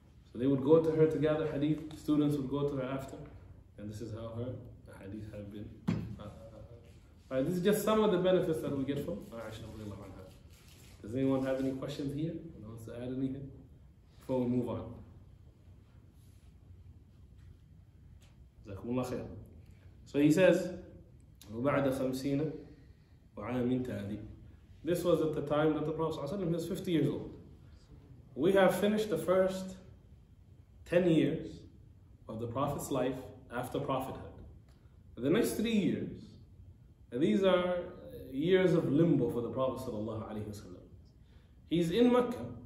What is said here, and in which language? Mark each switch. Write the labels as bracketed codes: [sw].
[en] So they would go to her to gather hadith, students would go to her after. And this is how her hadith have been. Right, this is just some of the benefits that we get from Aisha radiallahu anha. Does anyone have any questions here? Anyone wants to add anything before we move on? Jazakumullah khair. So he says, [ar] وَبَعْدَ خَمْسِينَ وَعَامٍ تَعْدِي. [en] This was at the time that the Prophet ﷺ was 50 years old. We have finished the first 10 years of the Prophet's life after prophethood. The next 3 years, these are years of limbo for the Prophet ﷺ. He's in Mecca.